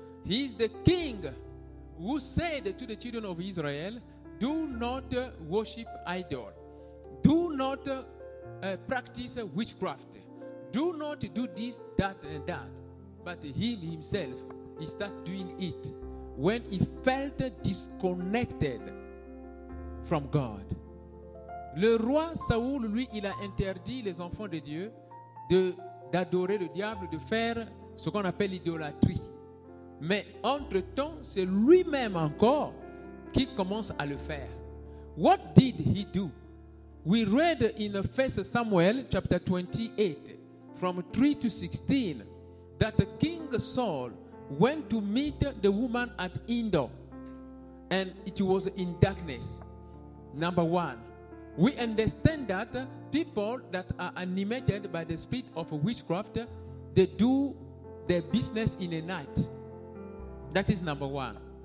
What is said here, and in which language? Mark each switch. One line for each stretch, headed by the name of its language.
English: He is the king who said to the children of Israel, do not worship idol. Do not practice witchcraft. Do not do this, that, and that. But himself, he started doing it when he felt disconnected from God.
French: Le roi Saoul, lui, il a interdit les enfants de Dieu d'adorer le diable, de faire ce qu'on appelle l'idolâtrie. Mais entre-temps, c'est lui-même encore qui commence à le faire.
English: What did he do? We read in 1 Samuel chapter 28 from 3 to 16 that King Saul went to meet the woman at Endor and it was in darkness. Number one, we understand that people that are animated by the spirit of witchcraft, they do their business in the night. That is number one.